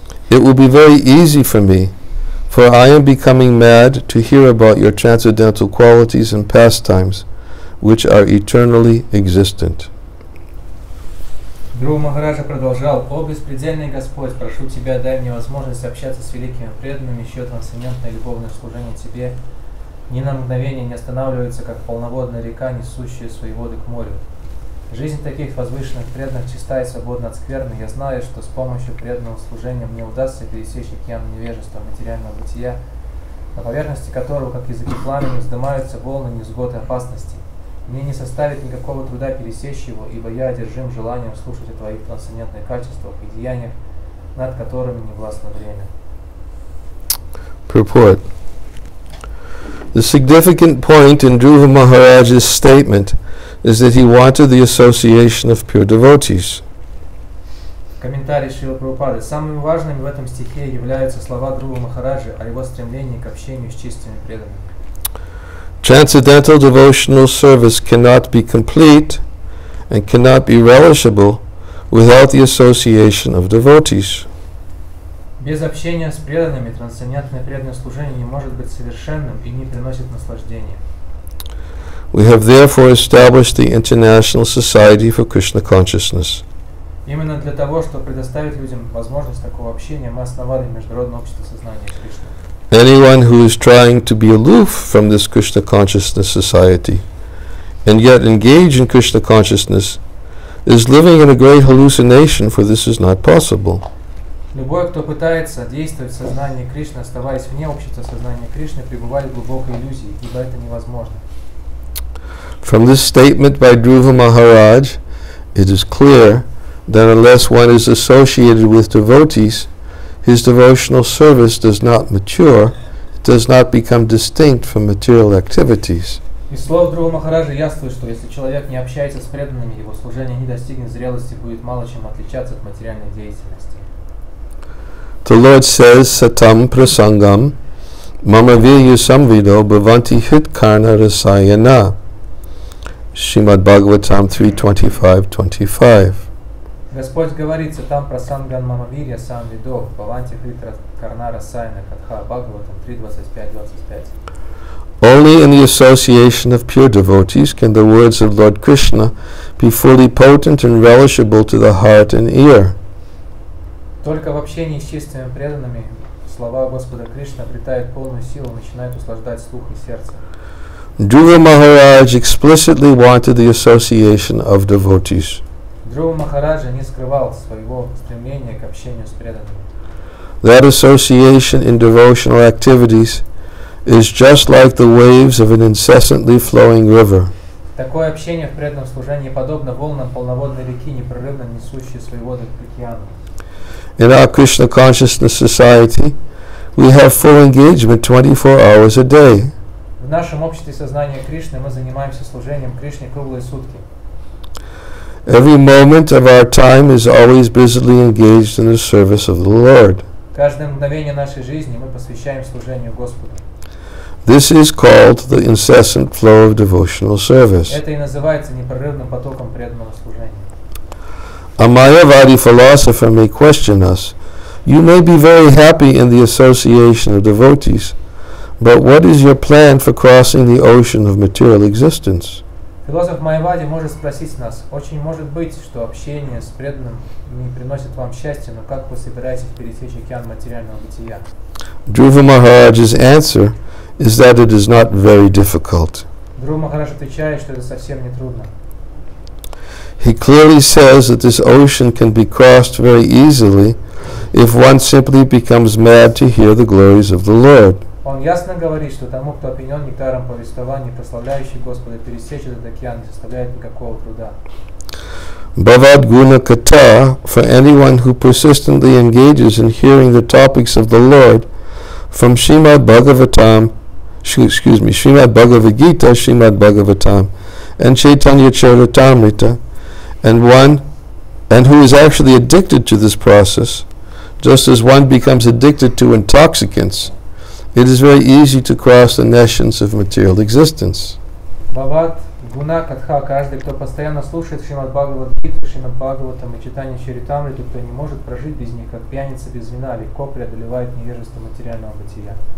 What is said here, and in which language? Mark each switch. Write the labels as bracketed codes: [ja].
[en] It will be very easy for me, for I am becoming mad to hear about your transcendental qualities and pastimes, which are eternally existent. [ru] Гуру Махараджа продолжал: «О беспредельный Господь, прошу Тебя, дай мне возможность общаться с великими преданными, чье трансцендентное любовное служение Тебе ни на мгновение не останавливается, как полноводная река, несущая свои воды к морю. Жизнь таких возвышенных преданных чиста и свободна от скверны. Я знаю, что с помощью преданного служения мне удастся пересечь океан невежества материального бытия, на поверхности которого, как языки пламени, вздымаются волны невзгод и опасности. Мне не составит никакого труда пересечь его, ибо я одержим желанием слушать о твоих трансцендентных качествах и деяниях, над которыми не властно время». [en] Purport. The significant point in Dhruva Maharaj's statement is that he wanted the association of pure devotees. [ru] Комментарий Шрилы Прабхупады. Самыми важными в этом стихе являются слова Дхрувы Махараджи о его стремлении к общению с чистыми преданными. [en] Transcendental devotional service cannot be complete and cannot be relishable without the association of devotees. [ru] Без общения с преданными трансцендентное преданное служение не может быть совершенным и не приносит наслаждения. [en] We have therefore established the International Society for Krishna Consciousness. [ru] Именно для того, чтобы предоставить людям возможность такого общения, мы основали Международное общество сознания Кришны. [en] Anyone who is trying to be aloof from this Krishna Consciousness Society and yet engage in Krishna Consciousness is living in a great hallucination, for this is not possible. [ru] Любой, кто пытается действовать в сознании Кришны, оставаясь вне общества сознания Кришны, пребывает в глубокой иллюзии, ибо это невозможно. [en] From this statement by Dhruva Maharaj, it is clear that unless one is associated with devotees, his devotional service does not mature, it does not become distinct from material activities. [ru] Из слов Дхрувы Махараджа ясно, что если человек не общается с преданными, его служение не достигнет зрелости, будет мало чем отличаться от материальной деятельности. [en] The Lord says, [sa] Satam prasangam, mamavirya samvido bhavanti hitkarna rasayana. [en] Srimad Bhagavatam 3:25-25. [ru] Господь говорит, [sa] там прасанган мамавирья сам видо, баванти хритра карнара сайна катха бхагаватам 3:25-25. [en] Only in the association of pure devotees can the words of Lord Krishna be fully potent and relishable to the heart and ear. [ru] Только в общении с чистыми преданными слова Господа Кришны обретают полную силу, начинают услаждать слух и сердце. [en] Dhruva Maharaj explicitly wanted the association of devotees. [ru] Дхрува Махараджа не скрывал своего стремления к общению с преданными. [en] That association in devotional activities is just like the waves of an incessantly flowing river. [ru] Такое общение в преданном служении подобно волнам полноводной реки, непрерывно несущей свои воды к океану. [en] In our Krishna Consciousness Society, we have full engagement 24 hours a day. [ru] В нашем обществе сознания Кришны мы занимаемся служением Кришне круглые сутки. [en] Every moment of our time is always busily engaged in the service of the Lord. [ru] Каждое мгновение нашей жизни мы посвящаем служению Господу. [en] This is called the incessant flow of devotional service. [ru] Это и называется непрерывным потоком преданного служения. [en] A Mayavadi philosopher may question us, you may be very happy in the association of devotees, but what is your plan for crossing the ocean of material existence? [ru] Философ Майявади может спросить нас, очень может быть, что общение с преданным не приносит вам счастья, но как вы собираетесь пересечь океан материального бытия? [en] Dhruva Maharaj's answer is that it is not very difficult. [ru] Dhruva Maharaj отвечает, что это совсем не трудно. [en] He clearly says that this ocean can be crossed very easily if one simply becomes mad to hear the glories of the Lord. [ru] Он ясно говорит, что тому, кто опьянен нектаром повествования, прославляющий Господа, пересечь этот океан не составляет никакого труда. [en] Bhavad Guna Kata, for anyone who persistently engages in hearing the topics of the Lord, from Srimad Bhagavatam, Srimad Bhagavad Gita, Srimad Bhagavatam, and Chaitanya Charitamrita, and who is actually addicted to this process, just as one becomes addicted to intoxicants, it is very easy to cross the nations of material existence. [sa] Bhavat, [ru] Гуна Катха, каждый, кто постоянно слушает Шримад Бхагаватгиту, Шримад Бхагаватам и читание Чаритамриты, кто не может прожить без них, как пьяница без вина, легко преодолевает невежество материального бытия.